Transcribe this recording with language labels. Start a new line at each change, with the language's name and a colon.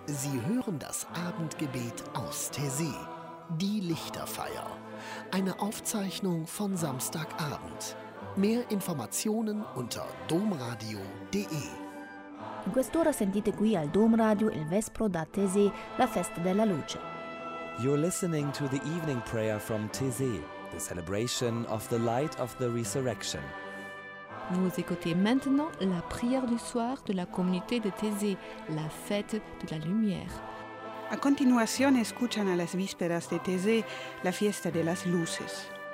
German: Sie hören das Abendgebet aus der See. Die Lichterfeier. Eine Aufzeichnung von Samstagabend. Mehr Informationen unter domradio.de.
Italian: In quest'ora sentite qui al Domradio il Vespro da Tese, la Festa della Luce.
English: You're listening to the evening prayer from Tese, the celebration of the light of the resurrection.
French: Vous écoutez maintenant la prière du soir de la communauté de Tese, la fête de la lumière.
Spanish: A continuación, escuchan a las vísperas de Tese, la fiesta de las luces.